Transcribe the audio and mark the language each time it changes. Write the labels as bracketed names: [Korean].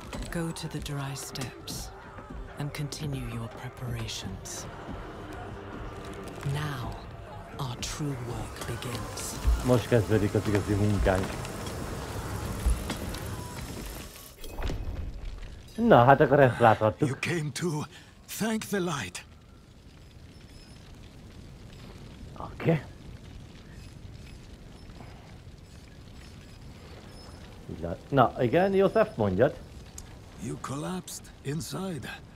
[English] Go to the dry steps and continue your preparations. Now our true work begins. [Hungarian] Most kezdődik az igazi munkánk. Na, hát akkor ezt láthattuk. [English] You came to thank the light. Okay. [Hungarian] Na, igen, József, mondjad. [English] You collapsed inside.